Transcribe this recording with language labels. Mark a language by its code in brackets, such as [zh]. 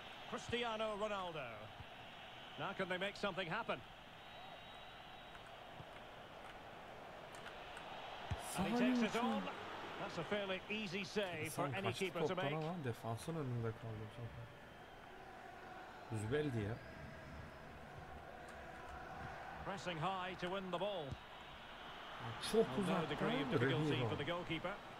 [en] Cristiano Ronaldo. Now can they make something happen? And he takes it on. That's a fairly easy save for any keeper to make. [tr] Defansın önünde kaldı zaten. Zübeldi ya. [en] Pressing high to win the ball. [tr] Çok uzak değil mi? Goalkeeper.